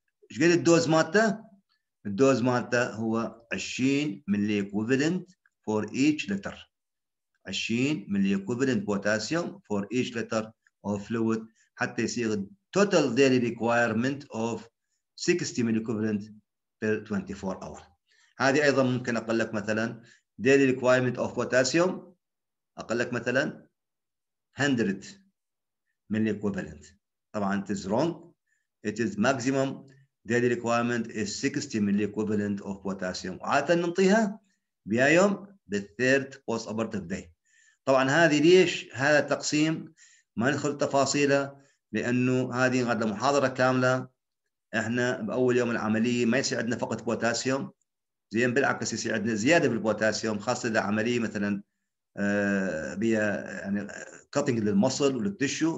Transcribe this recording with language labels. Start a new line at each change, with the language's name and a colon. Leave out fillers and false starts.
Arabic: ايش قد الدوز مالته؟ الدوز مالته هو
English: 20 milliequivalent for each liter, 20 milliequivalent potassium for each liter of fluid,
Arabic: حتى يصير
English: التوتال daily requirement of 60 milliequivalent per 24 hour.
Arabic: هذه ايضا ممكن اقول لك مثلا
English: daily requirement of potassium،
Arabic: اقول لك مثلا 100 ملي equivalent.
English: طبعا it is wrong. It is maximum daily requirement is 60 milli equivalent of potassium.
Arabic: عاده ننطيها بيا يوم؟ بالثيرد بوست اوبرتيف داي. طبعا هذه ليش هذا التقسيم؟ ما ندخل تفاصيله لانه هذه غدا محاضره كامله. احنا باول يوم العمليه ما يصير عندنا فقط بوتاسيوم، زين بالعكس يصير عندنا زياده بالبوتاسيوم، خاصه اذا عمليه مثلا بيها يعني كاتنج للمصل وللتشو.